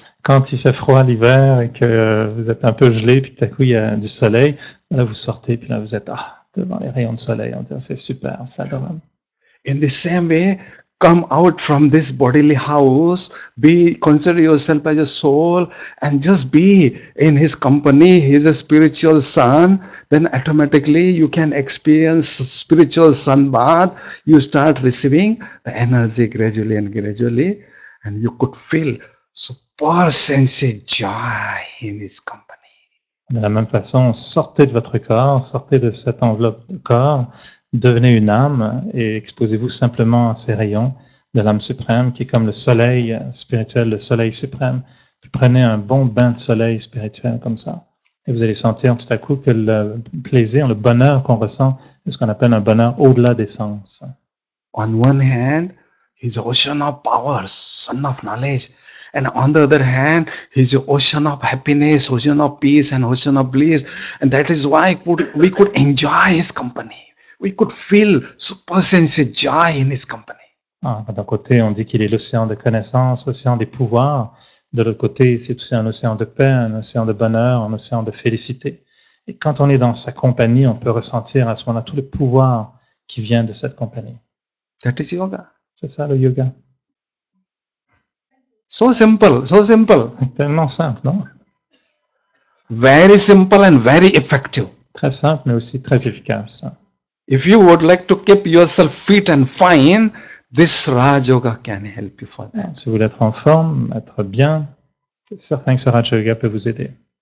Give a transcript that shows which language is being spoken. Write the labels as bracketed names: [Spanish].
[French] Quand il fait froid l'hiver et que vous êtes un peu gelé, puis tout à coup il y a du soleil, là vous sortez, puis là vous êtes devant les rayons de soleil. On dit c'est super, ça adorable. [English] In the same way, come out from this bodily house, be consider yourself as a soul, and just be in his company, his spiritual son, then automatically you can experience spiritual sun bath. You start receiving the energy gradually, and you could feel super sense joy in his company. [French] De la même façon, sortez de votre corps, sortez de cette enveloppe de corps, devenez une âme et exposez-vous simplement à ces rayons de l'âme suprême qui est comme le soleil spirituel, le soleil suprême. Prenez un bon bain de soleil spirituel comme ça. Et vous allez sentir tout à coup que le plaisir, le bonheur qu'on ressent est ce qu'on appelle un bonheur au-delà des sens. [English] On one hand, he's ocean of power, son of knowledge. And on the other hand, he's an ocean of happiness, ocean of peace and ocean of bliss. And that is why we could enjoy his company. We could feel super sense joy in his company. [French] Ah, d'un côté, on dit qu'il est l'océan de connaissance, l'océan des pouvoirs. De l'autre côté, c'est aussi un océan de paix, un océan de bonheur, un océan de félicité. Et quand on est dans sa compagnie, on peut ressentir à ce moment-là tout le pouvoir qui vient de cette compagnie. [English] That is yoga. [French] C'est ça le yoga. [English] So simple. [French] Tellement simple, non? [English] Very simple and very effective. [French] Très simple, mais aussi très efficace. [English] If you would like to keep yourself fit and fine, this Raj Yoga can help you for that. [French] Si vous voulez être en forme, être bien, c'est certain que ce Raj Yoga peut vous aider.